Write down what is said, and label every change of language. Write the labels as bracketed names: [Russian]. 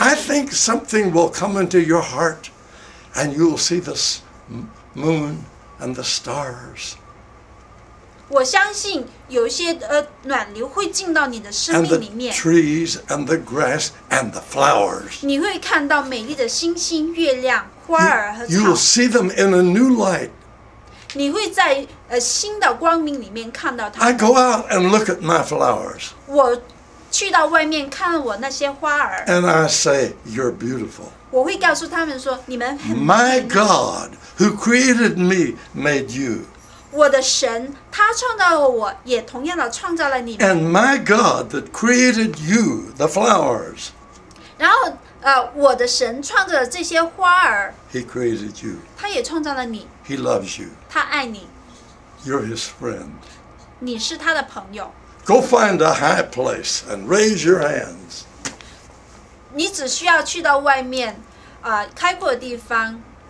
[English] I think something will come into your heart and you'll see this moon and the stars. [Chinese] 我相信有些暖流会进到你的生命里面。 [English] And the trees and the grass and the flowers. [Chinese] 你会看到美丽的星星、月亮、花儿和草。 [English] You will see them in a new light. [Chinese] 你会在新的光明里面看到它。 [English] I go out and look at my flowers. [Chinese] 我去到外面看我那些花儿。 [English] And I say, you're beautiful. [Chinese] 我会告诉他们说，你们很美丽。 [English] My God. Who created me made you. [Chinese] 我的神，他创造了我，也同样的创造了你。 [English] And my God that created you, the flowers. [Chinese] 然后，我的神创造了这些花儿。 [English] He created you. [Chinese] 他也创造了你。 [English] He loves you. [Chinese] 他爱你。 [English] You're his friend. [Chinese] 你是他的朋友。 [English] Go find a high place and raise your hands. [Chinese] 你只需要去到外面，开阔的地方。